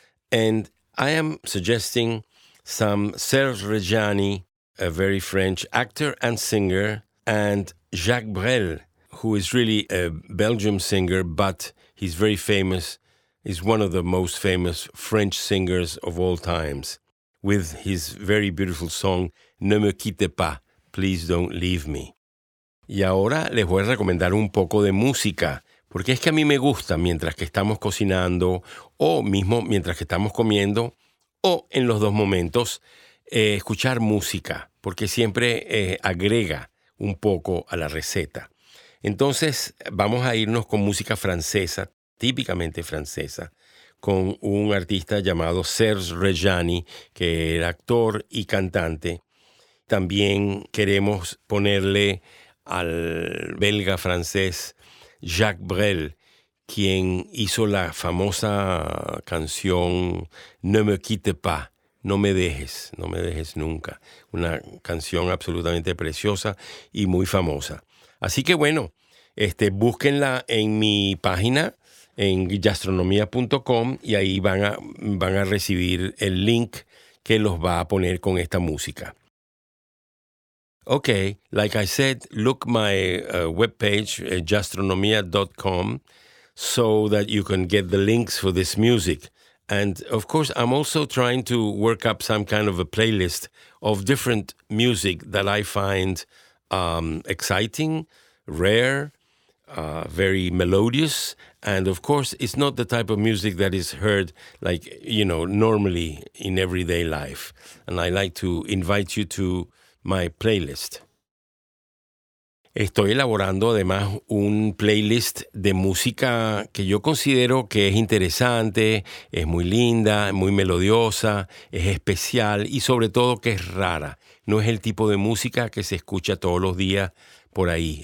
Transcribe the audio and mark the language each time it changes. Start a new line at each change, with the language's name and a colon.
English: And I am suggesting some Serge Reggiani, a very French actor and singer, and Jacques Brel, who is really a Belgian singer, but he's very famous. He's one of the most famous French singers of all times, with his very beautiful song, Ne me quitte pas, Please Don't Leave Me.
Spanish: Y ahora les voy a recomendar un poco de música, porque es que a mí me gusta mientras que estamos cocinando, o mismo mientras que estamos comiendo, o en los dos momentos, escuchar música, porque siempre agrega un poco a la receta. Entonces, vamos a irnos con música francesa, típicamente francesa, con un artista llamado Serge Reggiani, que era actor y cantante. También queremos ponerle al belga francés Jacques Brel, quien hizo la famosa canción Ne me quitte pas, No me dejes, no me dejes nunca. Una canción absolutamente preciosa y muy famosa. Así que bueno, búsquenla en mi página, en gastronomía.com, y ahí van a recibir el link que los va a poner con esta música.
English: Okay, like I said, look my webpage, gastronomía.com, so that you can get the links for this music. And, of course, I'm also trying to work up some kind of a playlist of different music that I find exciting, rare, very melodious. And, of course, it's not the type of music that is heard, like, you know, normally in everyday life. And I like to invite you to my playlist.
Spanish: Estoy elaborando además un playlist de música que yo considero que es interesante, es muy linda, muy melodiosa, es especial y sobre todo que es rara. No es el tipo de música que se escucha todos los días por ahí.